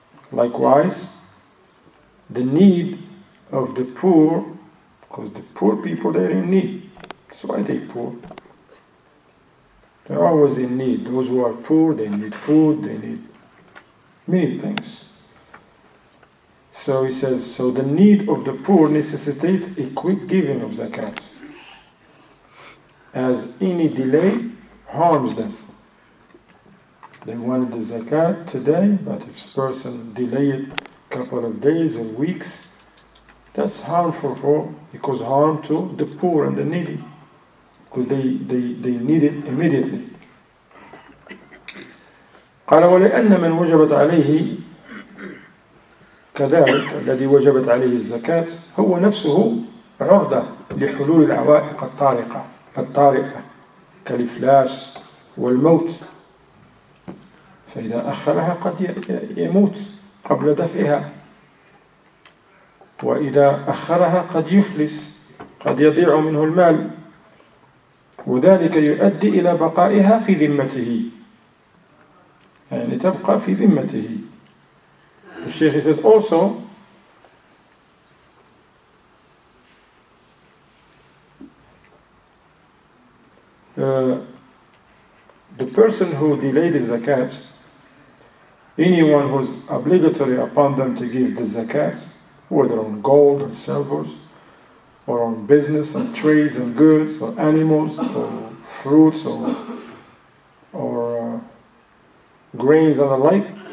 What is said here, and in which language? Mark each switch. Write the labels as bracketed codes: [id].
[en] Likewise, the need of the poor, because the poor people they are in need. That's why they are poor. They're always in need. Those who are poor, they need food, they need many things. So he says, so the need of the poor necessitates a quick giving of zakat, as any delay harms them. They wanted the zakat today, but if a person delayed it a couple of days or weeks, that's harmful for, it causes harm to the poor and the needy, because they need it immediately. [ar] قال ولأن من وجبت عليه كذلك الذي وجبت عليه الزكاة هو نفسه رغدة لحلول العوائق الطارئة كالإفلاس والموت فإذا أخرها قد يموت قبل دفعها وإذا أخرها قد يفلس قد يضيع منه المال وذلك يؤدي إلى بقائها في ذمته يعني تبقى في ذمته. [en] The Sheikh says also the person who delayed the zakat, anyone who's obligatory upon them to give the zakat, whether on gold and silver, or on business and trades and goods, or animals, or fruits, or grains and the like,